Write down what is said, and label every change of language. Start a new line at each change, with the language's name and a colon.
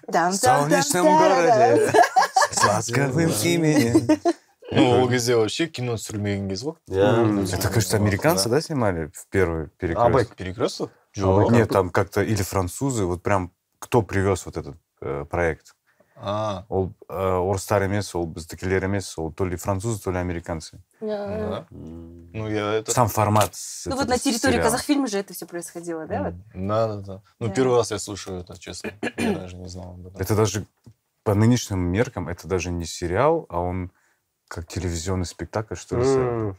Russian: В солнечном городе с ласковым именем.
Kazakh: Ну, ол кезде вообще кино түсірмеген кез ғой.
Russian: Это, кажется, американцы, да, снимали в первый перекрёсток? Абай перекрёсток? Нет, там как-то или французы. Вот прям кто привез вот этот проект?
Kazakh: Ол орыстар емес, ол біздікілер емес, ол
Russian: то ли французы, то ли американцы. Ну, я это... Сам формат. Ну, вот на территории Казахфильма же это все происходило, да? Да. Ну, первый раз я слушаю это, честно. Я даже не знал. Это даже по нынешним меркам, это даже не сериал, а он как телевизионный спектакль, что ли?